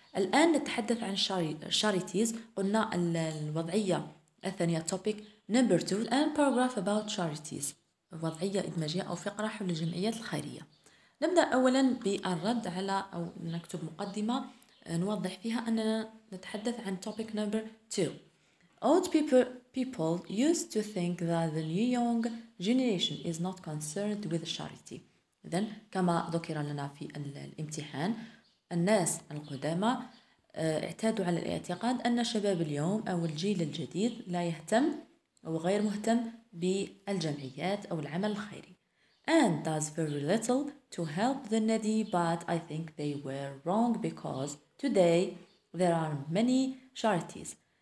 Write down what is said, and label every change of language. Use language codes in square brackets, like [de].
[ar] الآن نتحدث عن charities، قلنا الوضعية الثانية [en] topic number 2 and paragraph about charities، [ar] وضعية إدماجية أو فقرة حول الجمعيات الخيرية. نبدأ أولا بالرد على أو نكتب مقدمة نوضح فيها أننا نتحدث عن [en] topic number 2. Old people used to think that the new young generation is not concerned with charity. [ar] إذن كما ذكر لنا في الامتحان الناس القدامى اعتادوا على الاعتقاد أن شباب اليوم أو الجيل الجديد لا يهتم أو غير مهتم بالجمعيات أو العمل الخيري. [en] And does very little to help the needy, but I think they were wrong because today there are many charities.